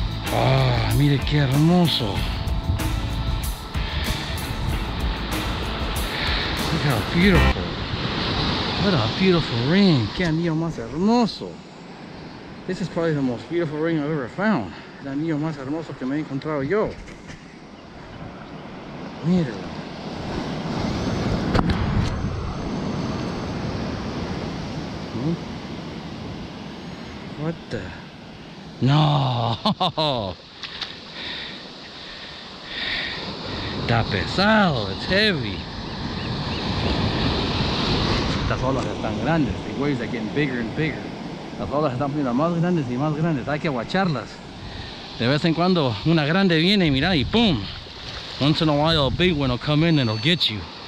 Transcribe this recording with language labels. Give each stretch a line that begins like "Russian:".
Spanish: Oh, mire qué hermoso.
English: Look how beautiful. What a beautiful ring.
Spanish: Qué anillo más hermoso.
English: This is probably the most beautiful ring I've ever found.
Spanish: El anillo más hermoso que me he encontrado yo. Mírelo.
English: Hmm? What the? No!
Spanish: Está pesado,
English: it's heavy.
Spanish: Estas olas están grandes,
English: the waves are getting bigger and bigger.
Spanish: Las olas están poniendo más grandes y más grandes, hay que aguacharlas. De vez en cuando una grande viene y mira y pum.
English: Once in a while a big one will come in and it'll get you.